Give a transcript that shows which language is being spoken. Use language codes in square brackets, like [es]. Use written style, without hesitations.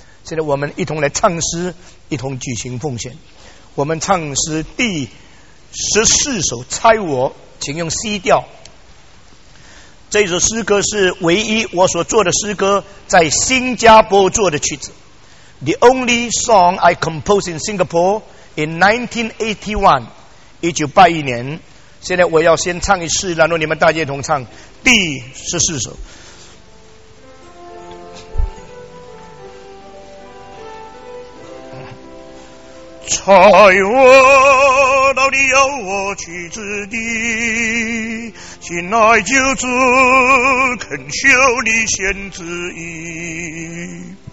[zh] 现在我们一同来唱诗，一同举行奉献。我们唱诗第14首《猜我》，请用 C 调。这首诗歌是唯一我所做的诗歌在新加坡做的曲子。 [en] The only song I composed in Singapore in 1981年。 [zh] 现在我要先唱一次，然后你们大家同唱第14首。猜我到底要我去之地，心爱救主恳求你先旨意，